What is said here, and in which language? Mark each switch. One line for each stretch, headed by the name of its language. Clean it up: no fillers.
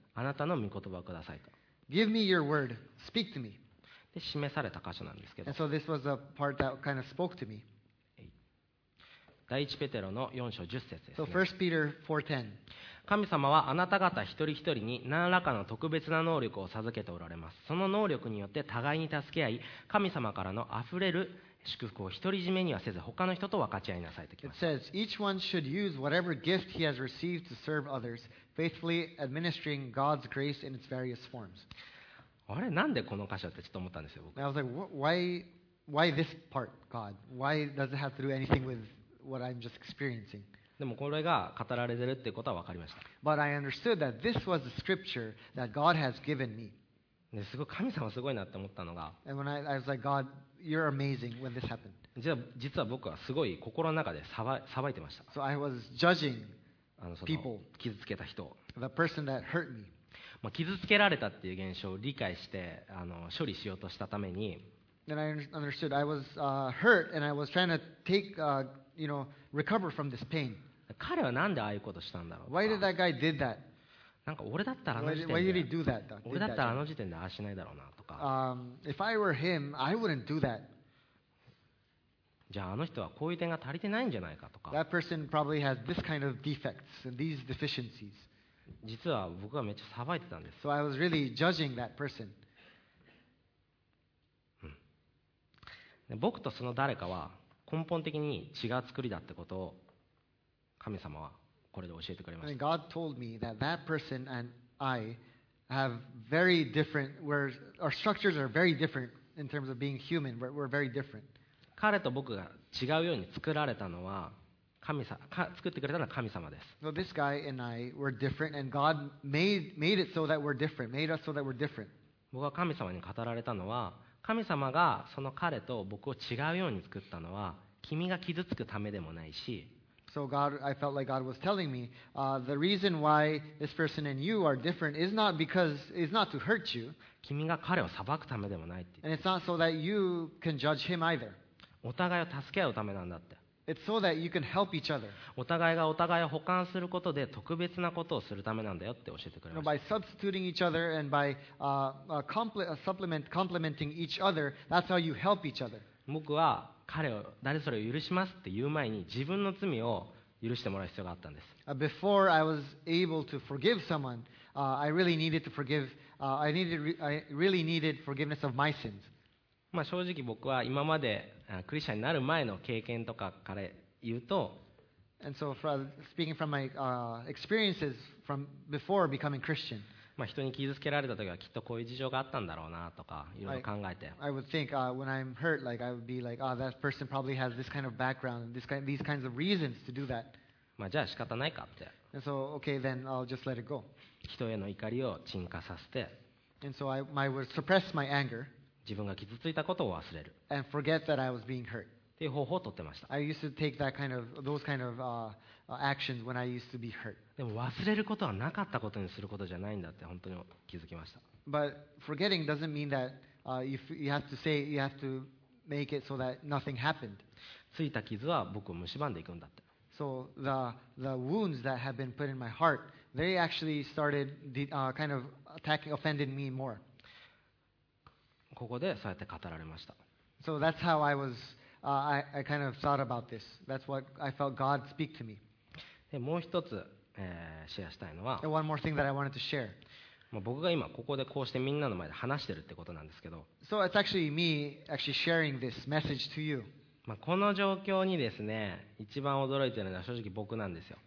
Japanese: あなたの御言葉をくださいと。
English: Give me your word. Speak to me.
Japanese: で、示された箇所なんですけど。
English: And so this was the part that kind of spoke to me.
Japanese: 第1ペテロの4章10節ですね。
English: So 1 Peter 4:10.
Japanese: 神様はあなた方一人一人に何らかの特別な能力を授けておられます。その能力によって互いに助け合い、神様からの溢れる祝福を独り占めにはせず、他の人と分かち合いなさいときました。
English: It says, each one should use whatever gift he has received to serve others, faithfully administering God's grace in its various forms.
Japanese: あれ、なんでこの箇所ってちょっと思ったんですよ、僕。
English: I was like, why this part, God? Why does it have to do anything with what I'm just experiencing?
Japanese: でもこれが語られてるってことは分かりました。
English: But I understood that this was the scripture that God has given me.
Japanese: ですごい神様すごいなって思ったのが、
English: And when I was like, God, You're amazing when this happened.
Japanese: じゃあ実は僕はすごい心の中でさばいてました。
English: So I was judging people.
Japanese: 傷つけた人。
English: The person that hurt me.
Japanese: まあ傷つけられたっていう現象を理解して処理しようとしたために。
English: Then I understood I was hurt and I was trying to take recover from this pain.
Japanese: 彼はなんでああいうことしたんだろう。
English: Why did that guy did that?
Japanese: なんか俺だったらあの時点で、
English: why did he do that?
Japanese: 俺だったらあの時点でああしないだろうなとか。
English: If I were him, I wouldn't do that.
Japanese: じゃああの人はこういう点が足りてないんじゃないかとか。
English: That person probably has this kind of defects and these deficiencies.
Japanese: 実は僕はめっちゃさばいてたんです。
English: So I was really judging that person.
Japanese: 僕とその誰かは根本的に違う作りだってことを神様は。これで教えてくれました。
English: And God told me that that person and I have very different, where our structures are very different in terms of being human. We're very different.
Japanese: 彼と僕が違うように作られたのは神様、作ってくれたのは神様です。
English: So this guy and I were different, and God made it so that we're different, made us so that we're different.
Japanese: 僕が神様に語られたのは、神様がその彼と僕を違うように作ったのは、君が傷つくためでもないし。
English: So God, I felt like God was telling me, the reason why this person and you are different is not because is not to hurt you.
Japanese: 君が彼を裁くためでもないって。
English: And it's not so that you can judge him either.
Japanese: お互いを助け合うためなんだって。
English: It's so that you can help each other.
Japanese: お互いがお互いを補完することで特別なことをするためなんだよって教えてくれました。
English: By substituting each other and by complementing each other, that's how you help each other.
Japanese: 僕は彼を誰それを許しますって言う前に自分の罪を許してもらう必要があったんです。
English: Before I was able to forgive someone, I really needed forgiveness of my sins.
Japanese: まあ正直僕は今までクリスチャンになる前の経験とかから言うと、
English: And so speaking from my experiences from before becoming Christian.
Japanese: まあ、人に傷つけられたときはきっとこういう事情があったんだろうなとかいろいろ考えて。
English: I would think when I'm hurt, like I would be like, ah,、oh, that person probably has this kind of background, these kinds of reasons to do that.
Japanese: まあじゃあ仕方ないかって。
English: And so okay, then I'll just let it go.
Japanese: 人への怒りを沈下させて。
English: And so I would suppress my anger.
Japanese: 自分が傷ついたことを忘れる。
English: And forget that I was being hurt.
Japanese: っていう方法を取ってました。
English: I used to take that kind of those kind of actions when I used to be hurt.
Japanese: でも忘れることはなかったことにすることじゃないんだって本当に気づきました。
English: But forgetting doesn't mean that you have to say you have to make it so that nothing happened.
Japanese: ついた傷は僕を蝕んでいくんだって。
English: So the wounds that have been put in my heart, they actually started kind of attacking, offending me more.
Japanese: ここでそうやって語られました。
English: So that's how I was. I kind of thought about this. That's what I felt God speak to me.
Japanese: でもう一つ。シェアしたいのは、
English: One more thing that I wanted to share.
Japanese: まあ僕が今ここでこうしてみんなの前で話してるってことなんですけど、
English: So it's actually me actually sharing this message to you.
Japanese: まあこの状況にですね、一番驚いてるのは正直僕なんですよ。